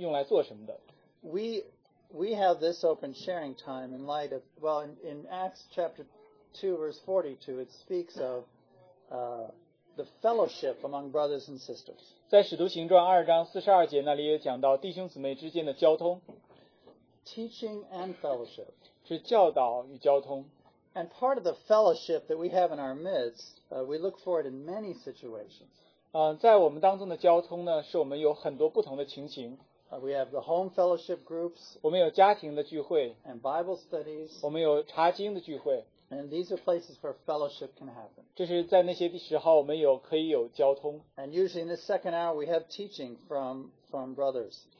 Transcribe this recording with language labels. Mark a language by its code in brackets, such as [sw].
[zh] 我们想提醒我们自己这段时间用来做什么的。 [en] We have this open sharing time in light of, well, in Acts chapter 2, verse 42, it speaks of the fellowship among brothers and sisters. [zh] 在使徒行传2章42节那里也讲到弟兄姊妹之间的交通, [en] teaching and fellowship. [zh] 是教导与交通。 [en] And part of the fellowship that we have in our midst, we look for it in many situations. [zh] 在我们当中的交通呢, 是我们有很多不同的情形。 [en] We have the home fellowship groups. [zh] 我们有家庭的聚会, [en] and Bible studies. [zh] 我们有查经的聚会, [en] and these are places where fellowship can happen. [zh] 就是在那些时候我们有可以有交通。 [en] And usually in the second hour we have teaching from brothers.